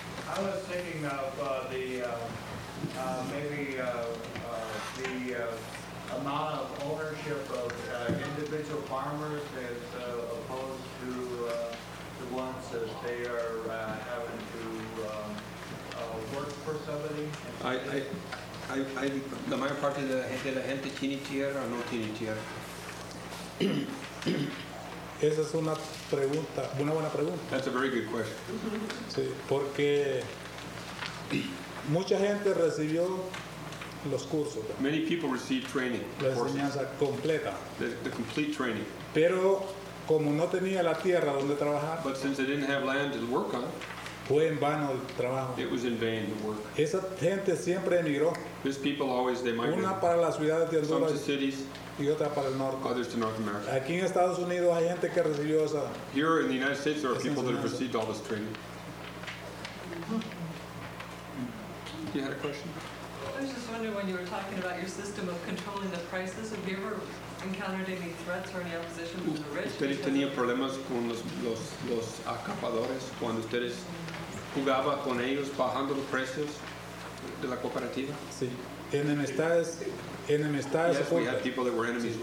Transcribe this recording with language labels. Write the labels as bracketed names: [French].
[English] I was thinking of amount of ownership of individual farmers as opposed to the ones that they are having to work for somebody. [Spanish] La mayor parte de la gente tiene tierra o no tiene tierra. Esa es una pregunta, una buena pregunta. [English] That's a very good question. [Spanish] Sí, porque mucha gente recibió los cursos. [English] Many people received training. [Spanish] La enseñanza completa. [English] The complete training. [Spanish] Pero como no tenía la tierra donde trabajar. [English] But since they didn't have land to work on. [Spanish] Fue en vano el trabajo. [English] It was in vain to work. [Spanish] Esa gente siempre emigró. [English] These people always, they migrated. [Spanish] Una para las ciudades de Honduras. [English] Some to cities. [Spanish] Y otra para el norte. [English] Others to North America. [Spanish] Aquí en Estados Unidos hay gente que recibió esa. [English] Here in the United States there are people enseñanza. That have received all this training. You had a question? I was just wondering when you were talking about your system of controlling the prices, have you ever encountered any threats or any opposition from the rich? [Spanish] ¿Ustedes tenían problemas con los acaparadores cuando ustedes jugaban con ellos bajando los precios de la cooperativa? Sí. Enemistades. [English] Yes, we had people that were enemies sí.